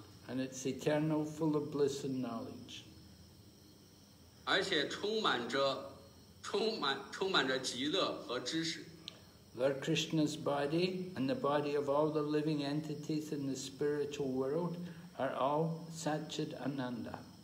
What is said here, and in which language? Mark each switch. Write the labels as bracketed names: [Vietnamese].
[English] And it's eternal, full of bliss and knowledge. [Chinese] 而且充满着极乐和知识。 [English] Lord Krishna's body and the body of all the living entities in the spiritual world are all Satchit Ananda.